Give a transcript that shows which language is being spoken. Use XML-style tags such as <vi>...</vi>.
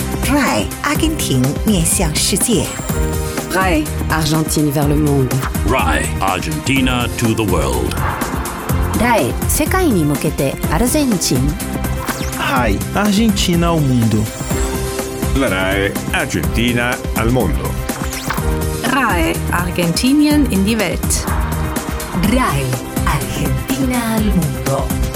<zh>RAE, Argentina 面向世界。</zh> <fr>RAE, Argentina vers le monde.</fr> <en>RAE, Argentina to the world.</en> <ja>RAE, 世界に向けてアルゼンチン。</ja> <es>RAE, Argentina al mundo. RAE, Argentina al mundo.</es> <de>RAE, Argentinian in die Welt.</de> <es>RAE, Argentina al mundo.</es>